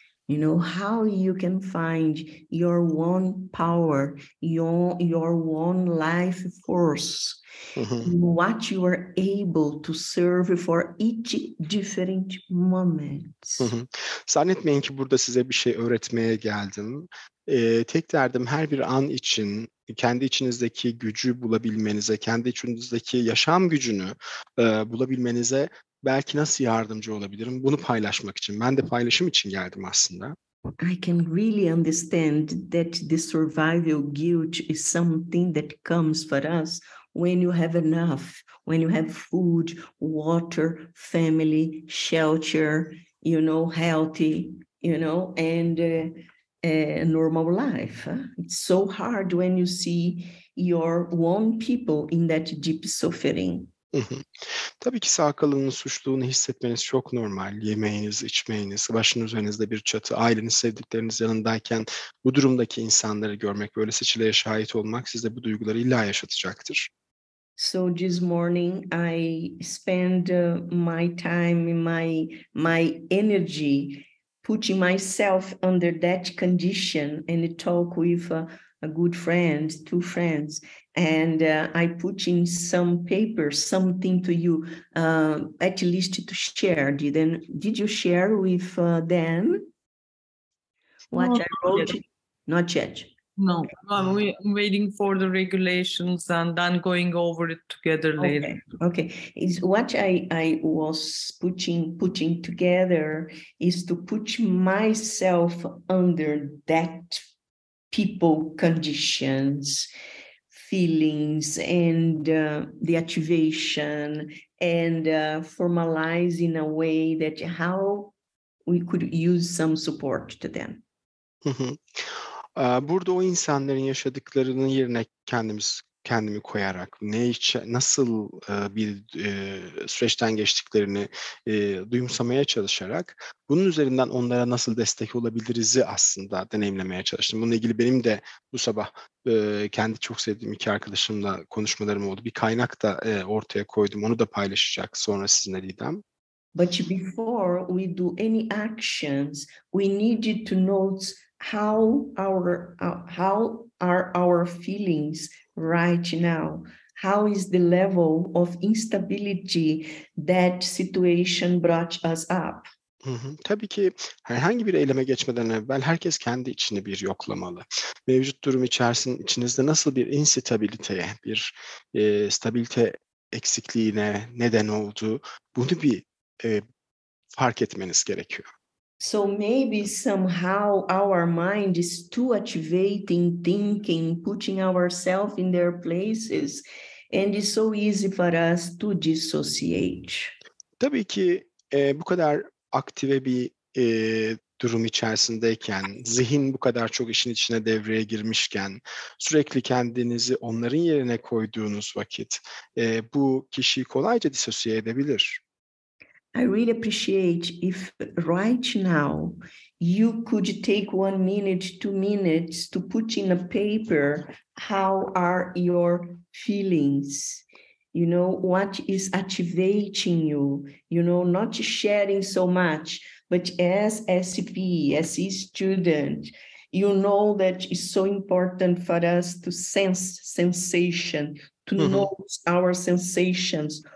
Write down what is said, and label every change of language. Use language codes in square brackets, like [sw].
[en] You know how you can find your one power, your one life force, what you are able to serve for each different moment. [tr] Zannetmeyin ki burada size bir şey öğretmeye geldim. Tek derdim her bir an için kendi içinizdeki gücü bulabilmenize, kendi içinizdeki yaşam gücünü bulabilmenize belki nasıl yardımcı olabilirim? Bunu paylaşmak için. Ben de paylaşım için geldim aslında. [en] I can really understand that the survival guilt is something that comes for us when you have enough, when you have food, water, family, shelter, you know, healthy, you know, and a normal life. It's so hard when you see your own people in that deep suffering. [tr] Tabii ki sağ kalanın suçluluğunu hissetmeniz çok normal. Yemeğiniz, içmeğiniz, başınız üzerinizde bir çatı, aileniz, sevdikleriniz yanındayken bu durumdaki insanları görmek, böyle seçileye şahit olmak sizde bu duyguları illa yaşatacaktır. [en] So this morning I spend my time, my energy, putting myself under that condition and talk with a good friend, two friends, and I put in some paper, something to you, at least to share. Did you share with them what I wrote? Not yet. No, I'm waiting for the regulations and then going over it together later. Okay. Is what I was putting together is to put myself under that people conditions, feelings, and the activation, and formalize in a way that how we could use some support to them. [tr] Burada o insanların yaşadıklarının yerine kendimi koyarak nasıl bir süreçten geçtiklerini duyumsamaya çalışarak bunun üzerinden onlara nasıl destek olabiliriz'i aslında deneyimlemeye çalıştım. Bununla ilgili benim de bu sabah kendi çok sevdiğim iki arkadaşımla konuşmalarım oldu. Bir kaynak da ortaya koydum. Onu da paylaşacak sonra sizinle Didem. [en] But before we do any actions, we needed to note how are our feelings right now? How is the level of instability that situation brought us up? [tr] Tabii ki herhangi bir eyleme geçmeden evvel herkes kendi içini bir yoklamalı. Mevcut durum içinizde nasıl bir instabiliteye, bir stabilite eksikliğine neden oldu, bunu bir fark etmeniz gerekiyor. [en] So maybe somehow our mind is too activating, thinking, putting ourselves in their places, and it's so easy for us to dissociate. [tr] Tabii ki bu kadar aktive bir durum içerisindeyken, zihin bu kadar çok işin içine devreye girmişken, sürekli kendinizi onların yerine koyduğunuz vakit bu kişiyi kolayca dissociate edebilir. [en] I really appreciate if right now you could take 1 minute, 2 minutes to put in a paper how are your feelings, you know, what is activating you, you know, not sharing so much, but as SCP, as a student, you know that it's so important for us to sense sensation, to know our sensations.